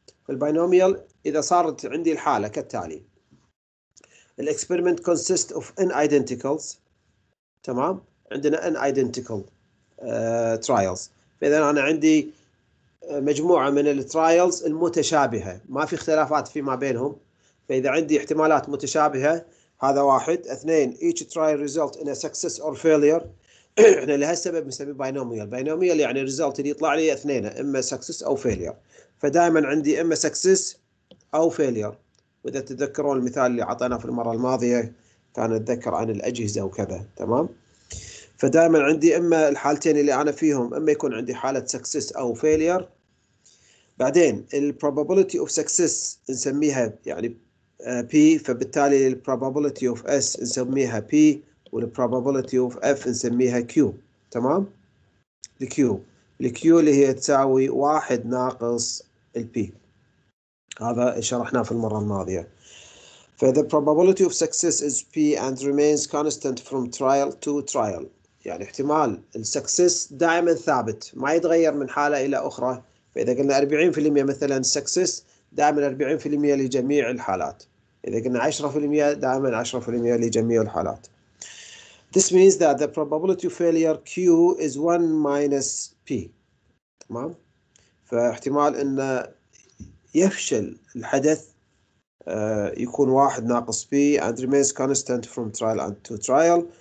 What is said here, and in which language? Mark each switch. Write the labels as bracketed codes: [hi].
[ar] الباينوميال إذا صارت عندي الحالة كالتالي: الـ [en] experiment consists of n identicals، [ar] تمام؟ عندنا [en] n identical trials. [ar] فإذا أنا عندي مجموعة من الترايلز المتشابهة، ما في اختلافات فيما بينهم. فإذا عندي احتمالات متشابهة، هذا واحد، اثنين [en] each trial result in a success or failure. [ar] احنا لهالسبب نسميه binomial. binomial يعني result اللي يطلع لي اثنين، اما success او failure. فدائما عندي اما success او failure. واذا تتذكرون المثال اللي عطيناه في المرة الماضية كان اتذكر عن الاجهزة وكذا، تمام؟ فدائما عندي اما الحالتين اللي انا فيهم، اما يكون عندي حاله سكسس او فيلير. بعدين البروبابيلتي اوف سكسس نسميها يعني بي، فبالتالي البروبابيلتي اوف اس نسميها بي، والبروبابيلتي اوف اف نسميها كيو، تمام؟ الكيو اللي هي تساوي 1 ناقص البي، هذا شرحناه في المره الماضيه. [en] فذا probability of success is P and remains constant from trial to trial, [ar] يعني احتمال السكسس دائما ثابت ما يتغير من حاله الى اخرى. فاذا قلنا 40% مثلا سكسس، دائما 40% لجميع الحالات. اذا قلنا 10% دائما 10% لجميع الحالات. [en] This means that the probability of failure q is 1 minus p، [ar] تمام؟ فاحتمال ان يفشل الحدث يكون 1 ناقص [en] p and remains constant from trial and to trial.